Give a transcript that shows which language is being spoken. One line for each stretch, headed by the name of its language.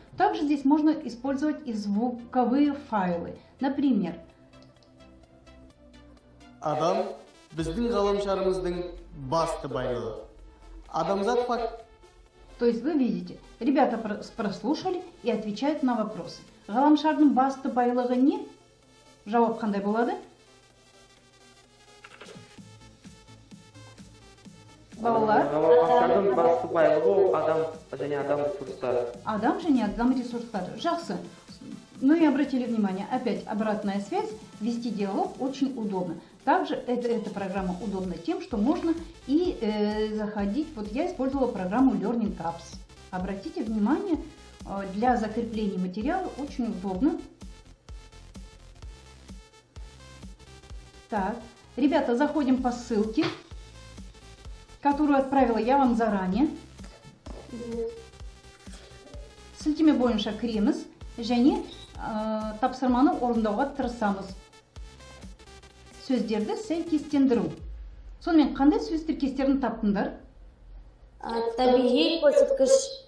Russian: Также здесь можно использовать и звуковые файлы. Например,
Kazakh: адам, біздің ғаламшарымыздың басты байлығы. Адамзат факт.
Russian: То есть вы видите, ребята прослушали и отвечают на вопросы.
Kazakh: Ғаламшардың басты байлығы не? Жауап қандай болады? Балалар. Ғаламшардың басты байлығы адам және адам ресурстары. Адам және адам ресурстары. Жақсы.
Russian: Ну и обратили внимание, опять обратная связь, вести диалог очень удобно. Также эта программа удобна тем, что можно и заходить, вот я использовала программу Learning Tabs. Обратите внимание, для закрепления материала очень удобно. Так, ребята, заходим по ссылке, которую отправила я вам заранее.
Kazakh: Сілтеме бойынша кіреміз, және тапсырманы орындауға тырысамыз. Сөздерді сәйкестендіру. Сонымен қандай сөз тіркестерін таптыңдар? Табиғи көрсеткіш.